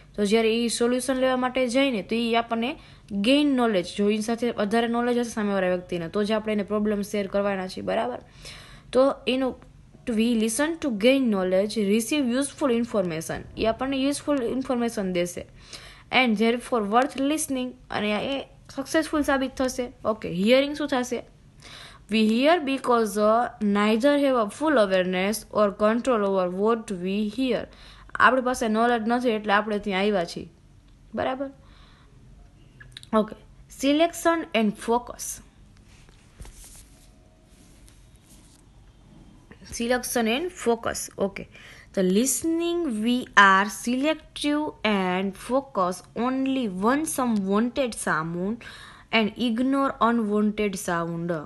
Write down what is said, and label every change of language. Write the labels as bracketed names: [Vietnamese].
[Gujarati] તો જ્યારે એ સોલ્યુશન લેવા માટે જઈને તો એ આપણને ગેઇન નોલેજ, જો એની સાથે વધારે નોલેજ હશે સામેવાળા વ્યક્તિને તો જ આપણે એને પ્રોબ્લેમ શેર કરવાના છીએ, બરાબર. તો એનું [English] to we listen to gain knowledge, receive useful information, [Gujarati] એ આપણને યુઝફુલ ઇન્ફોર્મેશન દેશે. [English] and therefore worth listening, [Gujarati] અને એ સક્સેસફુલ સાબિત થશે. ઓકે, હિયરિંગ શું થશે? [English] We hear because neither have a full awareness or control over what we hear. [Gujarati] આપણે પાસે knowledge નથી એટલે આપણે ત્યાં આવ્યા છીએ, બરાબર. [English] Okay, selection and focus, selection and focus. Okay, the listening we are selective and focus only on some wanted sound and ignore unwanted sound.